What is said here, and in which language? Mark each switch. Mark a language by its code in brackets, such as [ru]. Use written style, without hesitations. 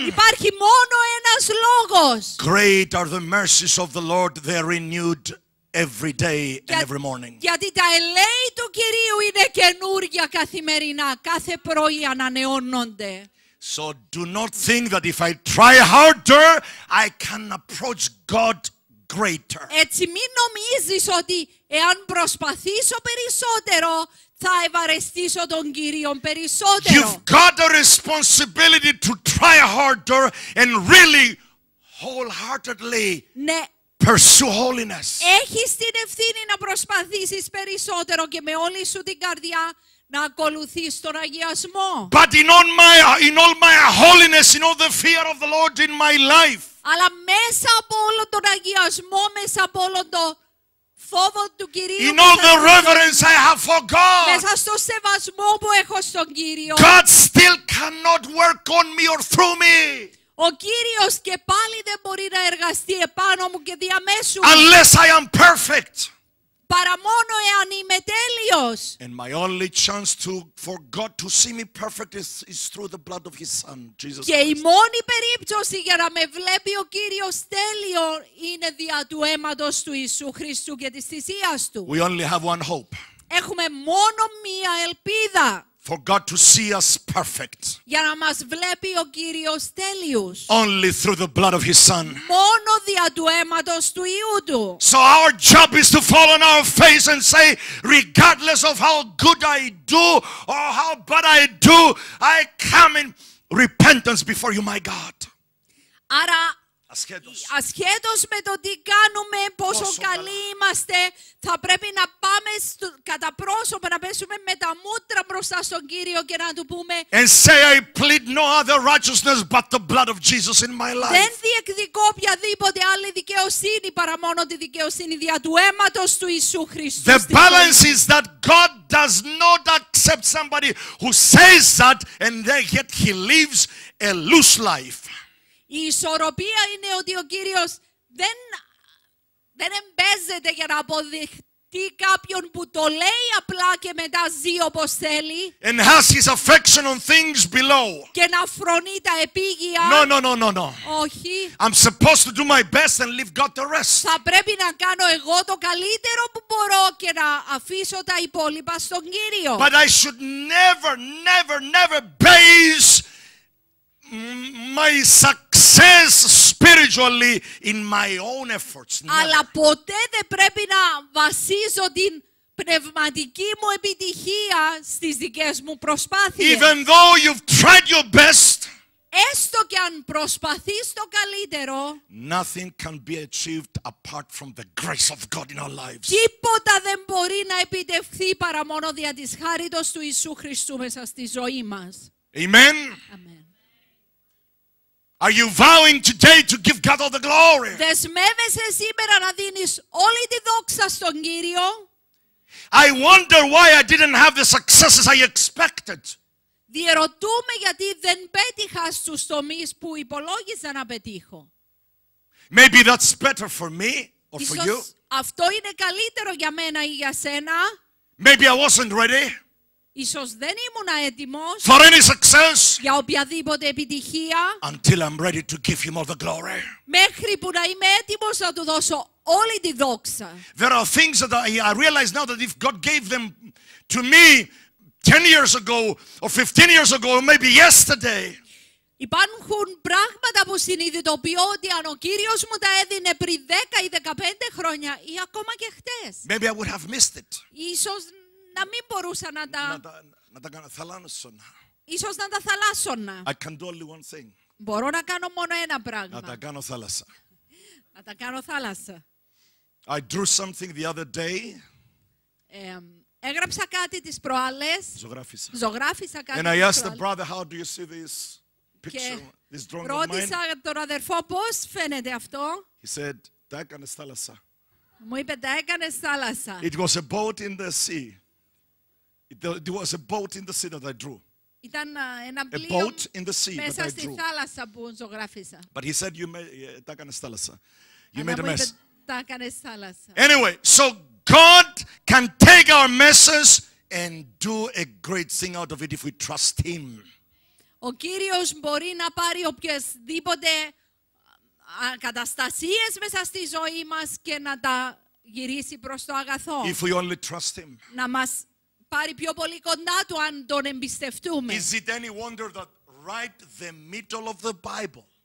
[el] Υπάρχει μόνο ένας λόγος. [en] Great are the mercies of the Lord, they are renewed every day and every morning. [el] Γιατί τα ελέη του Κυρίου είναι καινούργια καθημερινά, κάθε πρωί ανανεώνονται. [en] So do not think that if I try harder, I can approach God greater. [el] Έτσι μην νομίζεις ότι εάν προσπαθήσω περισσότερο, θα ευαρεστήσω τον Κύριο περισσότερο. [en] You've got a responsibility to try harder and really wholeheartedly pursue holiness. [el] Έχεις την ευθύνη να προσπαθήσεις περισσότερο και με όλη σου την καρδιά να ακολουθείς τον αγιασμό. [en] But in all my holiness, in all the fear of the Lord in my life. [el] Αλλά μέσα από όλο τον αγιασμό, μέσα από όλο το φόβο του Κυρίου. [en] In all the reverence I have for God. [el] Μέσα στο σεβασμό που έχω στον Κύριο. [en] God still cannot work on me or through me. [el] Ο Κύριος και πάλι δεν μπορεί να εργαστεί επάνω μου και διαμέσου. [en] Unless I am perfect. [el] Παρά μόνο εάν είμαι τέλειος. [en] And my only chance to, for God to see me perfect is through the blood of His Son, Jesus Christ. [el] Και η μόνη περίπτωση για να με βλέπει ο Κύριος τέλειο είναι δια του αίματος του Ιησού Χριστού και της θυσίας του. [en] We only have one hope. [el] Έχουμε μόνο μία ελπίδα. [en] For God to see us perfect. [el] Για να μας βλέπει ο Κύριος τέλειους. [en] Only through the blood of His Son. [el] Μόνο δια του αίματος του Υιού του. [en] So our job is to fall on our face and say, regardless of how good I do or how bad I do, I come in repentance before you, my God. [el] Άρα, ασχέτως με το τι κάνουμε, πόσο καλοί είμαστε, θα πρέπει να πάμε κατά πρόσωπο, να πέσουμε με τα μούτρα μπροστά στον Κύριο και να του πούμε. [en] And say, I plead no other righteousness but the blood of Jesus in my life. [el] Δεν διεκδικώ οποιαδήποτε άλλη δικαιοσύνη παρά μόνο τη δικαιοσύνη δια του αίματος του Ιησού Χριστού. [en] The balance is that God does not accept somebody who says that and then yet he lives a loose life. [el] Η ισορροπία είναι ότι ο Κύριος δεν εμπέζεται για να αποδειχτεί κάποιον που το λέει απλά και μετά ζει όπως θέλει. [en] And has his affection on things below. [el] Και να φρονεί τα επίγεια. [en] No. [el] Όχι. [en] I'm supposed to do my best and leave God the rest. [el] Θα πρέπει να κάνω εγώ το καλύτερο που μπορώ και να αφήσω τα υπόλοιπα στον Κύριο. [en] But I should never base my success spiritually in my own efforts. [el] Αλλά ποτέ δεν πρέπει να βασίζω την πνευματική μου επιτυχία στις δικές μου προσπάθειες. [en] Even though you've tried your best, [el] έστω και αν προσπαθείς το καλύτερο, [en] nothing can be achieved apart from the grace of God in our lives. [el] Τίποτα δεν μπορεί να επιτευχθεί παρά μόνο δια της χάριτος του Ιησού Χριστού μέσα στη ζωή μας. [en] Amen. Amen. Are you vowing today to give God all the glory? [el] Δεσμεύεσαι σήμερα να δίνεις όλη τη δόξα στον Κύριο? [en] I wonder why I didn't have the successes I expected. [el] Διερωτούμε γιατί δεν πέτυχα στους τομείς που υπολόγιζα να πετύχω. [en] Maybe that's better for me or for you. [el] Αυτό είναι καλύτερο για μένα ή για σένα. [en] Maybe I wasn't ready. [el] Ίσως δεν ήμουν έτοιμος [en] for any success [el] για οποιαδήποτε επιτυχία [en] until I'm ready to give him all the glory. [el] Μέχρι που να είμαι έτοιμος να του δώσω όλη τη δόξα. [en] There are things that I realize now that if God gave them to me 10 years ago or 15 years ago or maybe yesterday. [el] Υπάρχουν πράγματα που συνειδητοποιώ ότι αν ο Κύριος μου τα έδινε πριν 10 ή 15 χρόνια ή ακόμα και χτες, [en] maybe I would have missed it. [el] Ίσως να μην μπορούσα να τα θαλάσσωνα. Ίσως να τα θαλάσσωνα. [en] I can do only one thing. [el] Μπορώ να κάνω μόνο ένα πράγμα. Να τα κάνω θάλασσα. Να τα κάνω θάλασσα. [en] I drew something the other day. [el] Έγραψα κάτι τις προάλλες. Ζωγράφισα. Ζωγράφισα κάτι. [en] And I asked the brother, how do you see this picture, this drawing of mine? [el] Ρώτησα τον αδερφό πώς φαίνεται αυτό. [en] He said, [el] τα έκανες θάλασσα. Μου είπε, τα έκανες θάλασσα. [en] It was a boat in the sea. It was a boat in the sea that I drew. [el] Ήταν ένα πλοίο. [en] A boat in the sea that I drew. [el] Μέσα στη θάλασσα που ζωγράφισα. [en] But he said you made [el] τα έκανες θάλασσα. [en] You made a mess. [el] Τα έκανες θάλασσα. [en] Anyway, so God can take our messes and do a great thing out of it if we trust Him. [el] Ο Κύριος μπορεί να πάρει οποιασδήποτε καταστασίες μέσα στη ζωή μας και να τα γυρίσει προς το αγαθό. [en] If we only trust Him. [el] Να μας πάρει πιο πολύ κοντά του αν τον εμπιστευτούμε. [en] Is it any wonder that right the middle of the Bible?